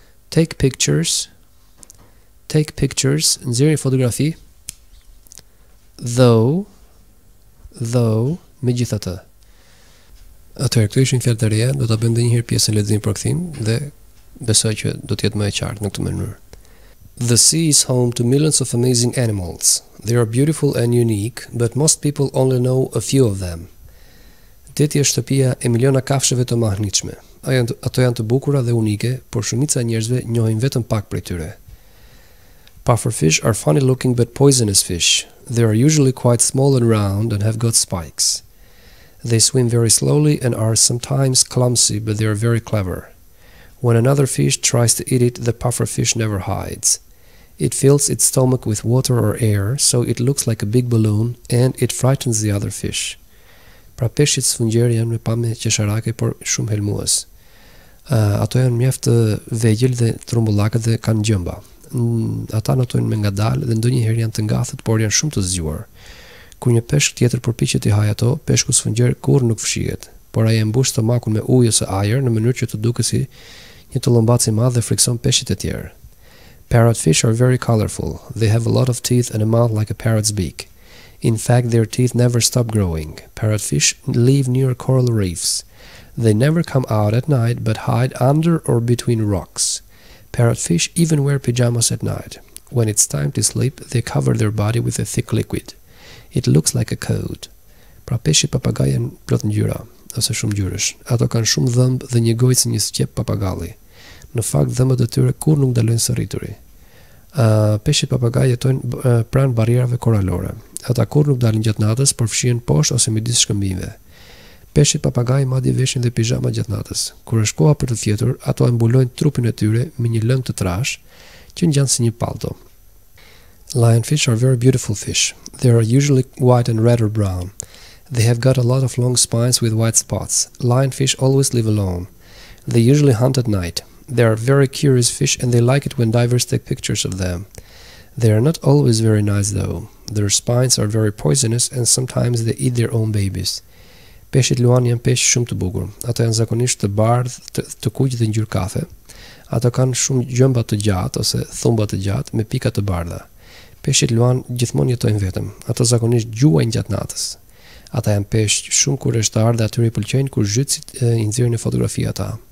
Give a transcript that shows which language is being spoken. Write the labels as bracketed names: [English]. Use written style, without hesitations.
[English] Take pictures, take pictures, [Albanian] nxjerrin fotografi. [English] Though, though, [Albanian] megjithatë. Atëherë, këto ishin fjalët e reja, do ta bëjmë edhe një herë pjesën lexim për kthim dhe besoj që do të jetë më e qartë në këtë mënyrë. [English] The sea is home to millions of amazing animals. They are beautiful and unique, but most people only know a few of them. [Albanian] Deti është shtëpia e miliona kafshëve të mahnitshme. Ato janë të bukura dhe unike, por shumica e njerëzve njohin vetëm pak prej tyre. [English] Pufferfish are funny looking but poisonous fish. They are usually quite small and round and have got spikes. They swim very slowly and are sometimes clumsy, but they are very clever. When another fish tries to eat it, the pufferfish never hides. It fills its stomach with water or air, so it looks like a big balloon, and it frightens the other fish. [Albanian] Pra peshqit sfungjerë janë me pamje qesharake, por shumë helmues. Ato janë mjaft vegjël dhe trumbullakët dhe kanë gjëmba. Ata natojnë me ngadalë dhe ndonjëherë janë të ngathët, por janë shumë të zgjuar. Kur një peshk tjetër përpiqet t'i hajë ato, peshku sfungjer kurrë nuk fshihet, por ai e mbush stomakun me ujë ose ajër në mënyrë që të duket si një tullumbac i madh dhe frikson peshqit e tjerë. [English] Parrotfish are very colorful. They have a lot of teeth and a mouth like a parrot's beak. In fact, their teeth never stop growing. Parrotfish live near coral reefs. They never come out at night but hide under or between rocks. Parrotfish even wear pajamas at night. When it's time to sleep, they cover their body with a thick liquid. It looks like a coat. [Albanian] Pra peshqit papagaj janë plot ngjyra, ose shumë ngjyrësh. Ato kanë shumë dhëmb dhe një gojë si një sqep papagalli. Në fakt, dhëmbët e tyre kur nuk dalojnë së rrituri. Peshqit papagaj jetojnë pranë barierave koralore. Ata kur nuk dalin gjatë natës, por fshihen poshtë ose midis shkëmbive. Peshqit papagaj madje veshin dhe pijama gjatë natës. Kur është koha për të fjetur, ato e mbulojnë trupin e tyre me një lëng të trash, që ngjan si një palto. [English] Lionfish are very beautiful fish. They are usually white and red or brown. They have got a lot of long spines with white spots. Lionfish always live alone. They usually hunt at night. They are very curious fish and they like it when divers take pictures of them. They are not always very nice though. Their spines are very poisonous and sometimes they eat their own babies. [Albanian] Peshqit luan janë peshq shumë të bukur. Ato janë zakonisht të bardh, të kuq dhe ngjyrë kafe. Ato kanë shumë gjëmba të gjatë ose thumba të gjatë me pika të bardha. Peshqit luan gjithmonë jetojnë vetëm. Ato zakonisht gjuajnë gjatë natës. Ata janë peshq shumë kureshtar dhe atyre i pëlqejnë kur zhytësit i nxjerrin në fotografi ata.